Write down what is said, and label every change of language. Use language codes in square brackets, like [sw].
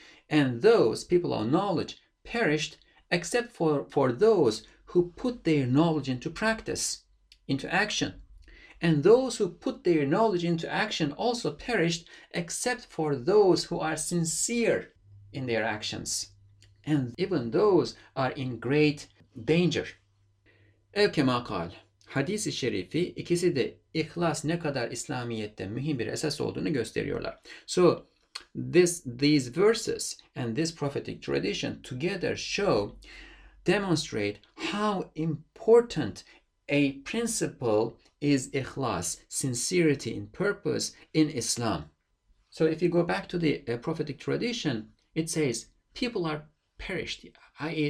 [en] And those people of knowledge perished except for those who put their knowledge into practice, into action. And those who put their knowledge into action also perished except for those who are sincere in their actions. And even those are in great danger. Evke makal. [tr] Hadis-i şerifi, ikisi de ikhlas ne kadar İslamiyet'te mühim bir esas olduğunu gösteriyorlar. [en] So, these verses and this prophetic tradition together demonstrate how important a principle is ikhlas, sincerity in purpose in Islam. So, if you go back to the prophetic tradition, it says people are perished, i.e.